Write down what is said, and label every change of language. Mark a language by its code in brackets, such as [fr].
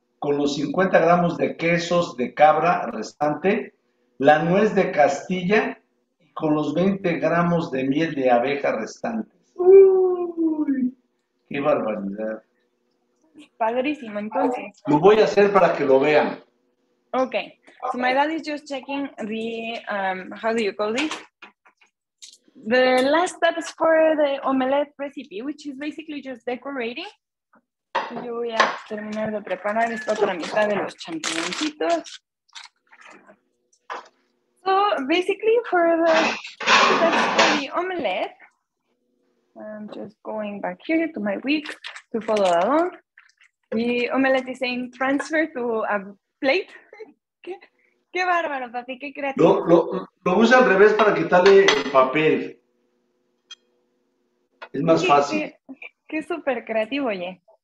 [es] con los 50 gramos de quesos de cabra restante, la nuez de Castilla y con los 20 gramos de miel de abeja restante. ¡Uy! ¡Qué barbaridad! Padrísimo, entonces. Lo voy a hacer para que lo vean. Ok. [en] So my dad is just checking the, how do you call this? The last steps for the omelette recipe, which is basically just decorating. [es] Yo voy a terminar de preparar esta otra mitad de los champiñoncitos. [en] So, basically, for the steps for the omelette, I'm just going back here to my wick to follow along. The omelette is saying transfer to a plate. [es] ¡Qué bárbaro, papi! ¡Qué creativo! Lo usa al revés para quitarle el papel. Es más fácil. ¡Qué súper creativo, oye!